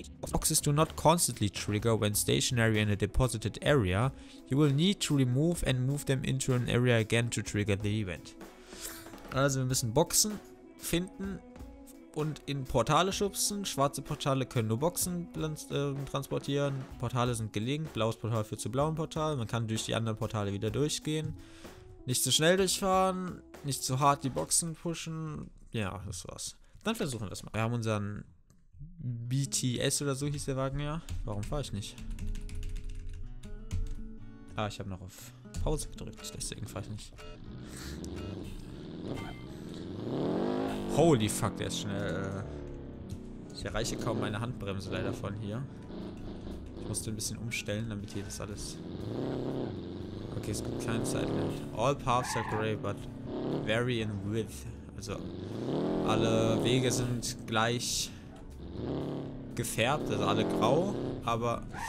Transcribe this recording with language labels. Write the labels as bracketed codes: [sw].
[en] Boxes do not constantly trigger when stationary in a deposited area. You will need to remove and move them into an area again to trigger the event. [de] Also wir müssen Boxen finden und in Portale schubsen. Schwarze Portale können nur Boxen transportieren. Portale sind gelinkt. Blaues Portal führt zu blauem Portal. Man kann durch die anderen Portale wieder durchgehen. Nicht zu schnell durchfahren. Nicht zu hart die Boxen pushen. Ja, das war's. Dann versuchen wir das mal. Wir haben unseren BTS oder so hieß der Wagen ja. Warum fahre ich nicht? Ah, ich habe noch auf Pause gedrückt, deswegen fahre ich nicht. [en] Holy fuck, [de] der ist schnell. Ich erreiche kaum meine Handbremse leider von hier. Ich musste ein bisschen umstellen, damit hier das alles... Okay, es gibt keine Zeit mehr. [en] All paths are gray, but vary in width. [de] Also, alle Wege sind gleich gefärbt, also alle grau, aber...